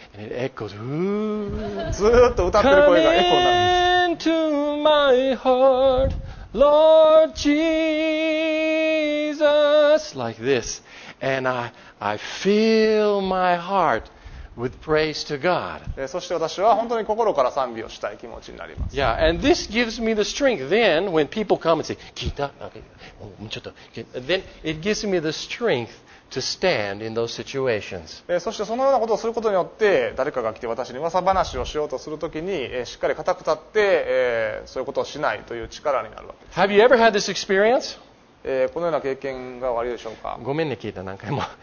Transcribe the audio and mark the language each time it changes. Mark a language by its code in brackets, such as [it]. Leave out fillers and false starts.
[en] And it echoes, ooh. [ja] ずっと歌ってる声がエコーなんです。 [en] Come into my heart, Lord Jesus. Like this. And I fill my heart with praise to God. [ja] そして私は本当に心から賛美をしたい気持ちになります。 [en] Yeah, and this gives me the strength then when people come and say, [ja] 聞いた? [en] Okay. [ja] ちょっと。 [en] Then it gives me the strength to stand in those situations. [ja] そしてそのようなことをすることによって誰かが来て私に噂話をしようとするときにしっかり固く立って、そういうことをしないという力になるわけです。 [en] Have you ever had this experience? [ja] このような経験が悪いでしょうか。ごめんね、聞いた何回も。